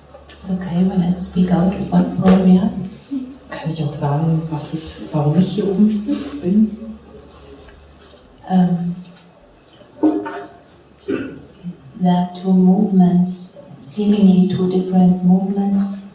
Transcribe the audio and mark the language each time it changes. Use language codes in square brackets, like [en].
[en] It's okay, when I speak out what role we have. [de] Kann ich auch sagen, was ist, warum ich hier oben bin? [en] There are two movements, seemingly two different movements.